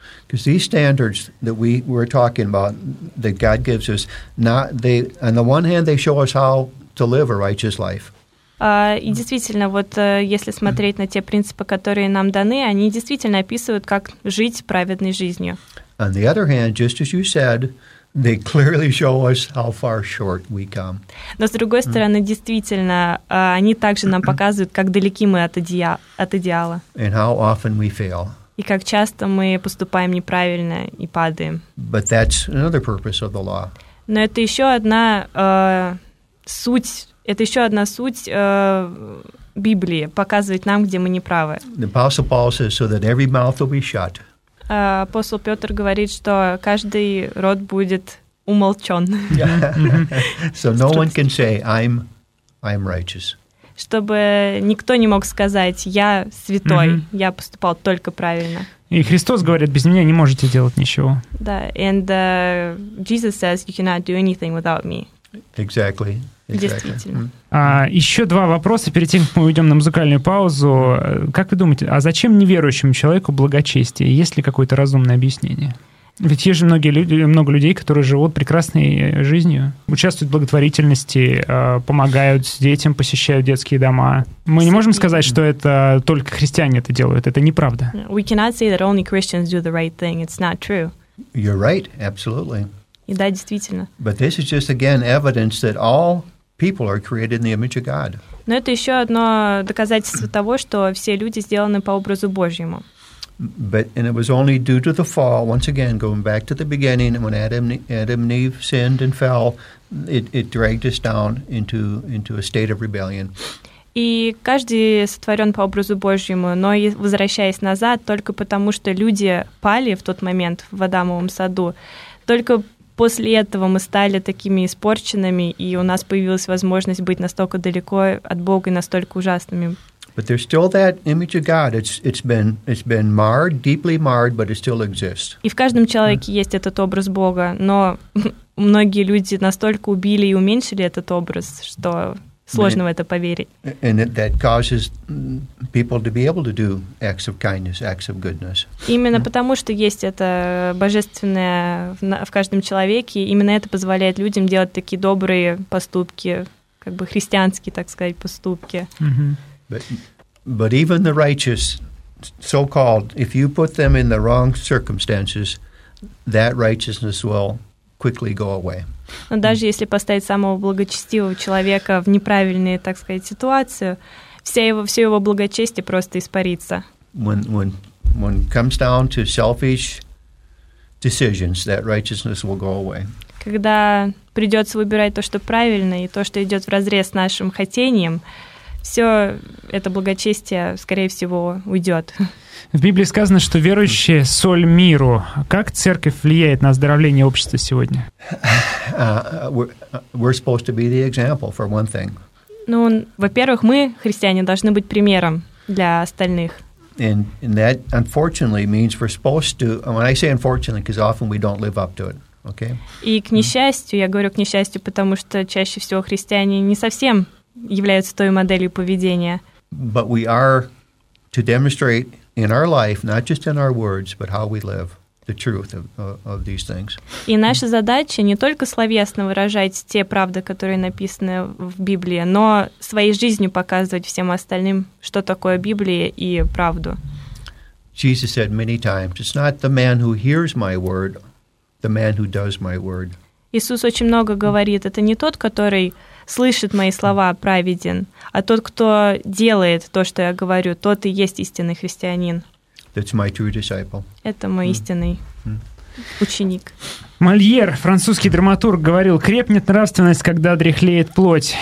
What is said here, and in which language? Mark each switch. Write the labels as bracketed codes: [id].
[en] Because these standards that we're talking about, that God gives us, on the one hand, they show us how to live a righteous life. [ru] И действительно, вот если смотреть на те принципы, которые нам даны, они действительно описывают, как жить праведной жизнью. [en] On the other hand, just as you said, they clearly show us how far short we come. [ru] Но с другой стороны, действительно, они также нам показывают, как далеки мы от идеала. [en] And how often we fail. [ru] И как часто мы поступаем неправильно и падаем. [en] But that's another purpose of the law. [ru] Но это еще одна суть. Это еще одна суть Библии показывать нам, где мы неправы. [en] The Apostle Paul says, so that every mouth will be shut. [ru] Апостол Петр говорит, что каждый рот будет умолчен. [en] So no one can say, I'm righteous. [ru] Чтобы никто не мог сказать, я святой, я поступал только правильно. И Христос говорит, без меня не можете делать ничего. [en] Да, and Jesus says, you cannot do anything without me. Exactly. [ru] Действительно. Еще два вопроса перед тем, как мы уйдем на музыкальную паузу. Как вы думаете, а зачем неверующему человеку благочестие? Есть ли какое-то разумное объяснение? Ведь есть же много людей, которые живут прекрасной жизнью, участвуют в благотворительности, помогают детям, посещают детские дома. Мы не можем сказать, что это только христиане это делают. Это неправда. [en] We cannot say that only Christians do the right thing. It's not true. You're right, absolutely. [ru] И да, действительно. [en] But this is just again evidence that all people are created in the image of God. [ru] Но это еще одно доказательство того, что все люди сделаны по образу Божьему. [en] But and it was only due to the fall, once again going back to the beginning, when Adam and Eve sinned and fell, it dragged us down into a state of rebellion. [ru] И каждый сотворен по образу Божьему, но и возвращаясь назад, только потому что люди пали в тот момент в Адамовом саду, только после этого мы стали такими испорченными, и у нас появилась возможность быть настолько далеко от Бога и настолько ужасными. [en] But there's still that image of God. It's been marred, deeply marred, but it still exists. [ru] И в каждом человеке есть этот образ Бога, но многие люди настолько убили и уменьшили этот образ, что сложно в это поверить. [en] And that causes people to be able to do acts of kindness, acts of goodness. [ru] Именно потому, что есть это божественное в каждом человеке, именно это позволяет людям делать такие добрые поступки, как бы христианские, так сказать, поступки. [en] But even the righteous, so-called, if you put them in the wrong circumstances, that righteousness will quickly go away. [ru] Но даже если поставить самого благочестивого человека в неправильную, так сказать, ситуацию, все его благочестие просто испарится. [en] When comes down to selfish decisions, that righteousness will go away. [ru] Когда придется выбирать то, что правильно, и то, что идет вразрез с нашим хотением, все это благочестие, скорее всего, уйдет. В Библии сказано, что верующие — соль миру. Как церковь влияет на оздоровление общества сегодня? [en] We're supposed to be the example, for one thing. [ru] Ну, во-первых, мы, христиане, должны быть примером для остальных. [en] And that, unfortunately, means we're supposed to... When I say unfortunately, because often we don't live up to it, okay? [ru] И к несчастью, я говорю к несчастью, потому что чаще всего христиане не совсем являются той моделью поведения. [en] But we are to demonstrate in our life, not just in our words, but how we live the truth of these things. [ru] И наша задача не только словесно выражать те правды, которые написаны в Библии, но своей жизнью показывать всем остальным, что такое Библия и правду. [en] Jesus said many times, it's not the man who hears my word, the man who does my word. [ru] Иисус очень много говорит, это не тот, который слышит мои слова, праведен, а тот, кто делает то, что я говорю, тот и есть истинный христианин. [en] That's my true disciple. [ru] Это мой истинный ученик. Мольер, французский драматург, говорил, крепнет нравственность, когда дряхлеет плоть.